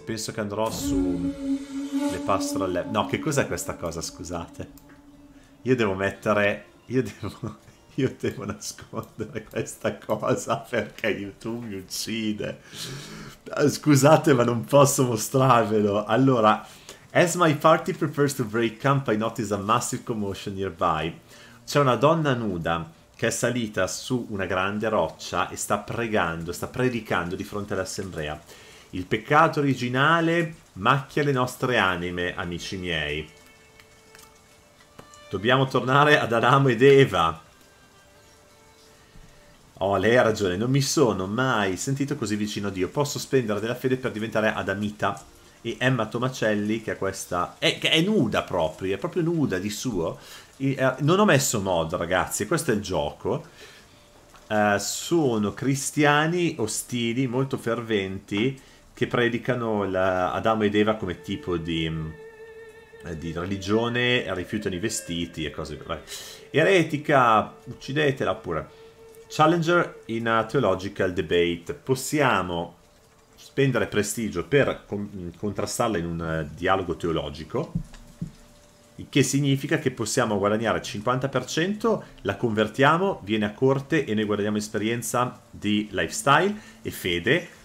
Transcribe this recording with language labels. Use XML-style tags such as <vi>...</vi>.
<it>Penso che andrò su...</it> <en>Le pastoral land.</en> <it>No, che cos'è questa cosa? Scusate. Io devo mettere. Io devo nascondere questa cosa perché YouTube mi uccide. Scusate, ma non posso mostrarvelo. Allora,</it> <en>as my party prepares to break camp, I notice a massive commotion nearby.</en> <it>C'è una donna nuda che è salita su una grande roccia e sta pregando, sta predicando di fronte all'assemblea. Il peccato originale macchia le nostre anime, amici miei. Dobbiamo tornare ad Adamo ed Eva. Oh, lei ha ragione, non mi sono mai sentito così vicino a Dio. Posso spendere della fede per diventare adamita. E Emma Tomacelli, che ha questa... che è nuda proprio, è proprio nuda di suo. Non ho messo mod, ragazzi, questo è il gioco. Sono cristiani ostili, molto ferventi, che predicano Adamo ed Eva come tipo di religione, rifiutano i vestiti e cose. Eretica, uccidetela pure.</it> <en>Challenger in a theological debate.</en> <it>Possiamo spendere prestigio per contrastarla in un dialogo teologico, il che significa che possiamo guadagnare 50%, la convertiamo, viene a corte e noi guadagniamo esperienza di lifestyle e fede.</it>